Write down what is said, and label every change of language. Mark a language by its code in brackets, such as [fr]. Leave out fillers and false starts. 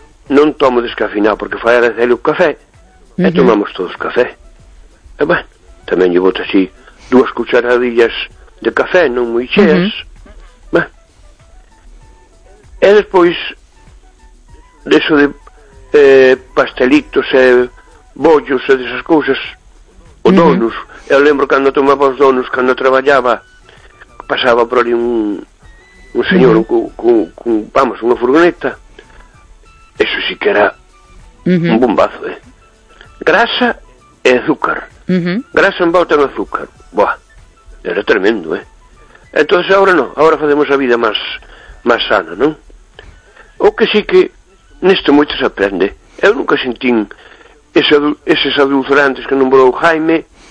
[gl] non tomo descafeinado porque fai a recelo o café e tomamos todos café e bueno, tamén llevo así 2 cucharadillas de café non moi cheas e despois deso de pastelitos e bollos e desas cousas o donos eu lembro cando tomaba os donos cando traballaba pasaba por ali un señor vamos, unha furgoneta. [es] Eso sí que era un bombazo, Grasa e azúcar. Grasa en bota no azúcar. Buah, era tremendo, Entonces ahora no, ahora [gl] facemos a vida [es] más sana, non? [gl] O que sí que nesto moito se aprende. Eu nunca sentín eses adulcerantes que nombrou Jaime.